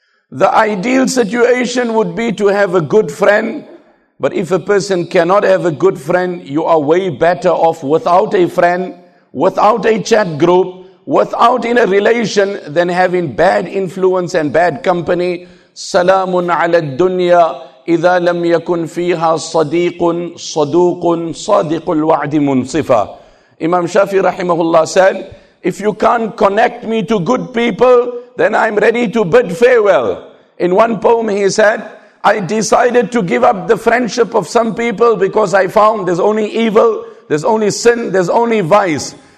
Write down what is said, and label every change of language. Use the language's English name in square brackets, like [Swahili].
[English] The ideal situation would be to have a good friend, but if a person cannot have a good friend, you are way better off without a friend, without a chat group, without in a relation than having bad influence and bad company. [Arabic] Salamun ala dunya إذا لم يكن فيها صديق صدوق صادق الوعد منصفا. [English] Imam Shafi rahimahullah said, if you can't connect me to good people, then I'm ready to bid farewell. In one poem he said, I decided to give up the friendship of some people because I found there's only evil, there's only sin, there's only vice.